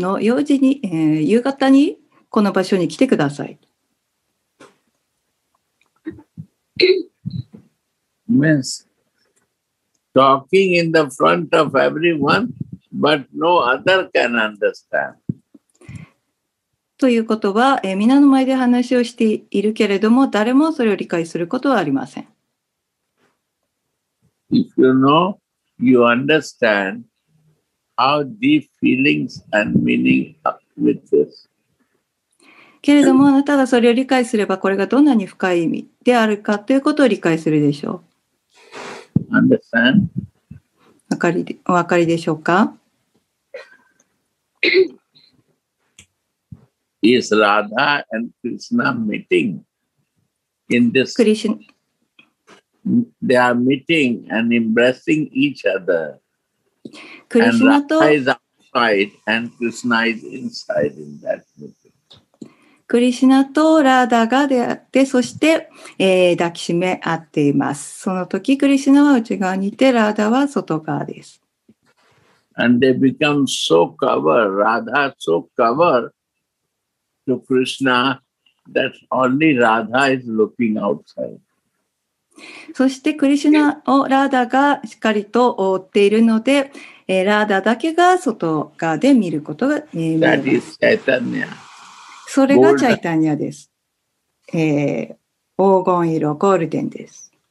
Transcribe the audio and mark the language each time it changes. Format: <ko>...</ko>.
<ja>今日の夕方にこの場所に来てください。</ja> <en>Means talking in the front of everyone, but no other can understand.</en> <ja>ということは、皆の前で話をしているけれども、誰もそれを理解することはありません。</ja> <en>If you know, you understand how deep feelings and meaning are with this.</en> <ja>けれども、あなたがそれを理解すれば、これがどんなに深い意味であるかということを理解するでしょう。</ja> <en>Understand?</en> <ja>お分かりでしょうか。</ja> <en>Is Radha and Krishna meeting in this? Krishna. They are meeting and embracing each other. Krishna and Radha is outside and Krishna is inside in that meeting.</en> <ja>Krishna とRadhaが出会って、そして、抱きしめ合っています。その時、Krishnaは内側にいて、Radhaは外側です。</ja> <en>And they become so covered, Radha so covered. To Krishna, that only Radha is looking outside.</en> <ja>そしてクリシュナをラーダがしっかりと覆っているので、ラーダだけが外側で見ることが見えます。</ja> <en>That is Chaitanya.</en> <ja>それがチャイタニアです。黄金色、ゴールデンです。</ja>